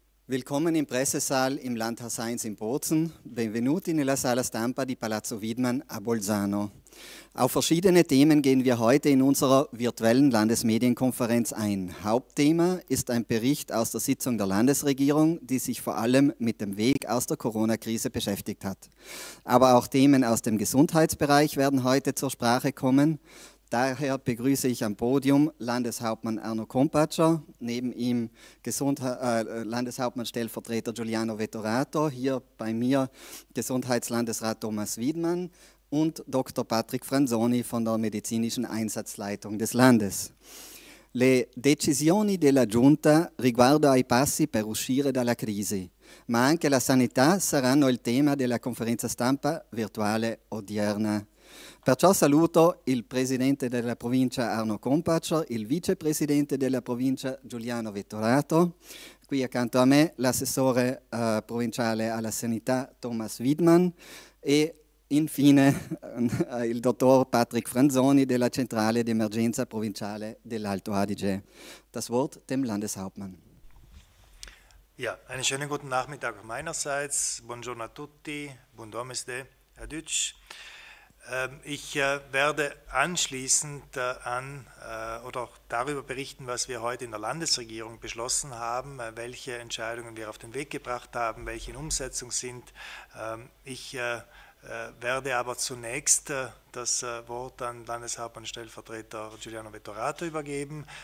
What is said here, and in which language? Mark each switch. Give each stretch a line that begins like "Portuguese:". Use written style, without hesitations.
German: Willkommen im Pressesaal im Landhaus 1 in Bozen.
Italian: Benvenuti nella Sala Stampa di Palazzo Widmann a Bolzano.
German: Auf verschiedene Themen gehen wir heute in unserer virtuellen Landesmedienkonferenz ein. Hauptthema ist ein Bericht aus der Sitzung der Landesregierung, die sich vor allem mit dem Weg aus der Corona-Krise beschäftigt hat. Aber auch Themen aus dem Gesundheitsbereich werden heute zur Sprache kommen. Daher begrüße ich am Podium Landeshauptmann Arno Kompatscher, neben ihm Landeshauptmann-Stellvertreter Giuliano Vettorato, hier bei mir Gesundheitslandesrat Thomas Widmann und Dr. Patrick Franzoni von der medizinischen Einsatzleitung des Landes.
Italian: Le decisioni della Giunta riguardo ai passi per uscire dalla crisi, ma anche la sanità saranno il tema della conferenza stampa virtuale odierna. Perciò saluto il Presidente della Provincia Arno Kompatscher, il Vicepresidente della Provincia Giuliano Vettorato, qui accanto a me l'Assessore Provinciale alla Sanità Thomas Widmann e infine il Dottor Patrick Franzoni della Centrale d'Emergenza Provinciale dell'Alto Adige.
German: Das Wort dem Landeshauptmann. Ja, einen schönen guten Nachmittag meinerseits.
Italian: Buongiorno a tutti, buon domeste, a Deutsch.
German: Ich werde anschließend an oder auch darüber berichten, was wir heute in der Landesregierung beschlossen haben, welche Entscheidungen wir auf den Weg gebracht haben, welche in Umsetzung sind. Ich werde aber zunächst das Wort an Landeshauptmann-Stellvertreter Giuliano Vettorato übergeben.